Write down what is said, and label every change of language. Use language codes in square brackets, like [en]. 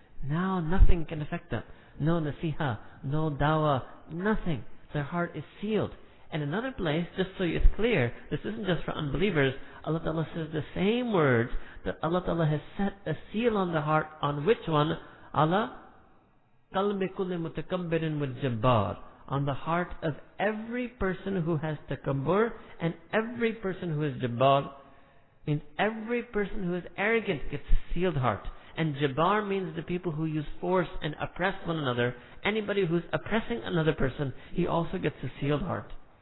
[en] Now nothing can affect them. No nasiha, no dawah, nothing. Their heart is sealed. And another place, just so it's clear, this isn't just for unbelievers, Allah Ta'ala says the same words that Allah Ta'ala has set a seal on the heart, on which one? [ar] Allah, قَلْبِ كُلِّ مُتَكَبِّرٍ وَالْجَبَّارِ. [en] On the heart of every person who has takabbur and every person who is jabbar. Means every person who is arrogant gets a sealed heart. And jabbar means the people who use force and oppress one another. Anybody who's oppressing another person, he also gets a sealed heart.